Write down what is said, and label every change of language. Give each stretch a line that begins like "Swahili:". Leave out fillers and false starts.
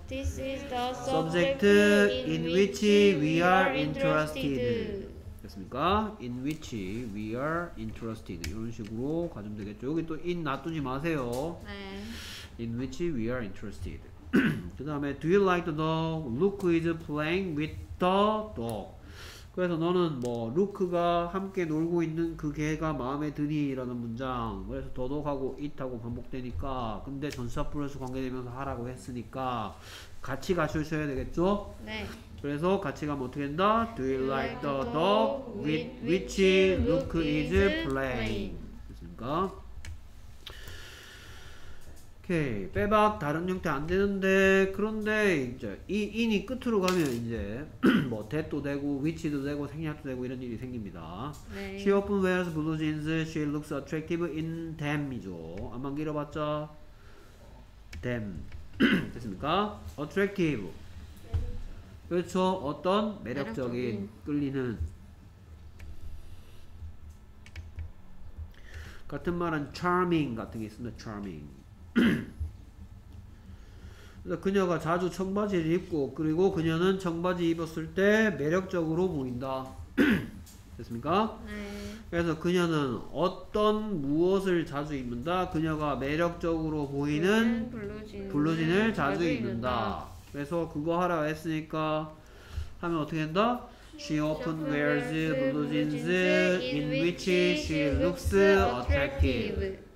English: This is the subject in which we are interested.
Korean: 됐습니까?
English: In which we are interested.
Korean: 이런 식으로 가주면 되겠죠. 여기 또 in 놔두지 마세요. 네.
English: In which we are interested.
Korean: 그 다음에
English: Do you like the dog? Luke is playing with the dog.
Korean: 그래서 너는 뭐 루크가 함께 놀고 있는 그 개가 마음에 드니? 라는 문장. 그래서 the dog하고 it하고 반복되니까 근데 전치사 플러스 관계되면서 하라고 했으니까 같이 가셔야 되겠죠? 네. 그래서 같이 가면 어떻게 된다?
English: Do you like the dog with which Luke is playing?
Korean: 됐습니까? 오케이. 빼박 다른 형태 안 되는데 그런데 이제 이 in이 끝으로 가면 이제 뭐 that도 되고 which도 되고 생략도 되고 이런 일이 생깁니다. 네.
English: She often wears blue jeans. She looks attractive in them이죠.
Korean: 안만 길어봤자 them 됐습니까? Attractive. 그렇죠. 어떤 매력적인 끌리는 같은 말은 charming 같은 게 있습니다. Charming. 그녀가 자주 청바지를 입고 그리고 그녀는 청바지 입었을 때 매력적으로 보인다. 됐습니까? 네. 그래서 그녀는 어떤 무엇을 자주 입는다? 그녀가 매력적으로 보이는 블루진을 자주 입는다. 그래서 그거 하라고 했으니까 하면 어떻게 된다?
English: She often wears blue jeans in which she looks attractive.